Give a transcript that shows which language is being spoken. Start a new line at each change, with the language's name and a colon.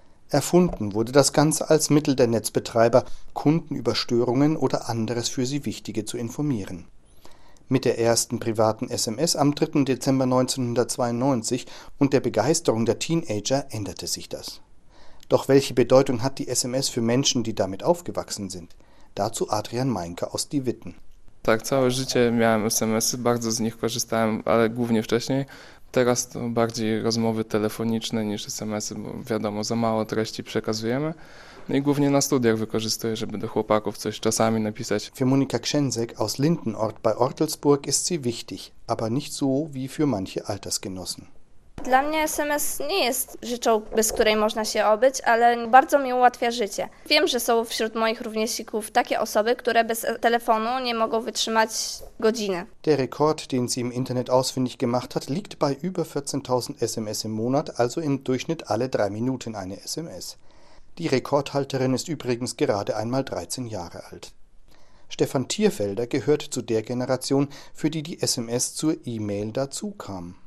German: Erfunden wurde das Ganze als Mittel der Netzbetreiber, Kunden über Störungen oder anderes für sie Wichtige zu informieren. Mit der ersten privaten SMS am 3. Dezember 1992 und der Begeisterung der Teenager änderte sich das. Doch welche Bedeutung hat die SMS für Menschen, die damit aufgewachsen sind? Dazu Adrian Meinke aus Die Witten.
Polish: Tak, całe życie miałem SMS-y, bardzo z nich korzystałem, ale głównie wcześniej. Teraz to bardziej rozmowy telefoniczne niż SMS-y, bo wiadomo, za mało treści przekazujemy. No i głównie na studiach wykorzystuję, żeby do chłopaków coś czasami napisać.
German: Für Monika Krzęzek aus Lindenort bei Ortelsburg ist sie wichtig, aber nicht so wie für manche Altersgenossen.
Polish: Dla mnie SMS nie jest rzeczą, bez której można się obyć, ale bardzo mi ułatwia życie. Wiem, że są wśród moich rówieśników takie osoby, które bez telefonu nie mogą wytrzymać godziny.
German: Der Rekord, den sie im Internet ausfindig gemacht hat, liegt bei über 14.000 SMS im Monat, also im Durchschnitt alle 3 Minuten eine SMS. Die Rekordhalterin ist übrigens gerade einmal 13 Jahre alt. Stefan Tierfelder gehört zu der Generation, für die die SMS zur E-Mail dazukam.